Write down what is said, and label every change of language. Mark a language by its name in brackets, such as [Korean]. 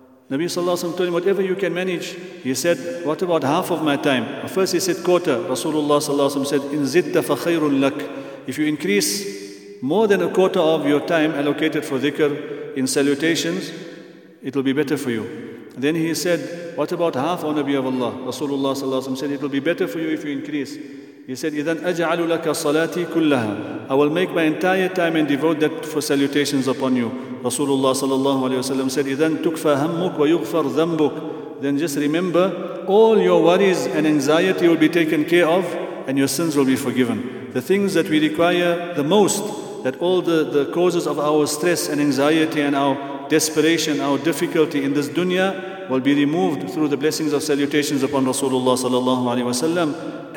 [English] Nabi sallallahu alayhi wa sallam told him, whatever you can manage. He said, what about half of my time? First he said, quarter. Rasulullah sallallahu alayhi wa sallam said, [Arabic] in zidda fa khayrun lak. [English] If you increase more than a quarter of your time allocated for dhikr in salutations, it will be better for you. Then he said, what about half, O Nabi of Allah? Rasulullah sallallahu alayhi wa sallam said, it will be better for you if you increase. He said, [Arabic] إِذَنْ أَجْعَلُ لَكَ صَلَاتِي كُلَّهَا. [English] I will make my entire time and devote that for salutations upon you. Rasulullah sallallahu alayhi wa sallam said, [Arabic] إِذَنْ تُكْفَى هَمُّكْ وَيُغْفَرْ ذَنْبُكْ. [English] Then just remember, all your worries and anxiety will be taken care of and your sins will be forgiven. The things that we require the most, that all the causes of our stress and anxiety and our desperation, our difficulty in this dunya will be removed through the blessings of salutations upon Rasulullah sallallahu alayhi wa sallam.